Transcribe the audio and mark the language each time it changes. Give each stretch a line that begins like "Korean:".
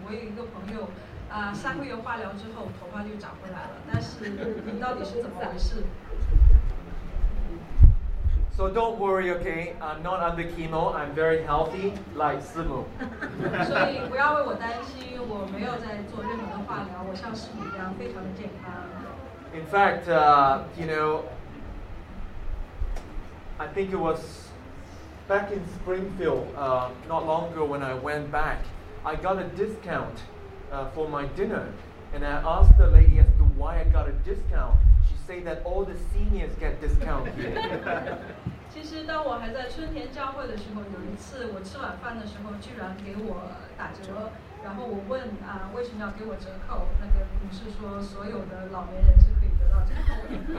Chinese: 我有一个朋友，三个月化疗之后头发就长回来了，但是你到底是怎么回事？
English: So don't worry, okay? I'm not under chemo. I'm very healthy, like 师母。
Chinese: 所以不要为我担心，我没有在做任何的化疗，我像师母一样非常的健康。
English: In fact, you know, I think it was. Back in Springfield, not long ago when I went back, I got a discount for my dinner. And I asked the lady as to why I got a discount. She said that all the seniors get discount here.
Chinese: 其实当我还在春田教会的时候，有一次我吃晚饭的时候居然给我打折。然后我问为什么要给我折扣，那个女士说所有的老年人是可以得到折扣的。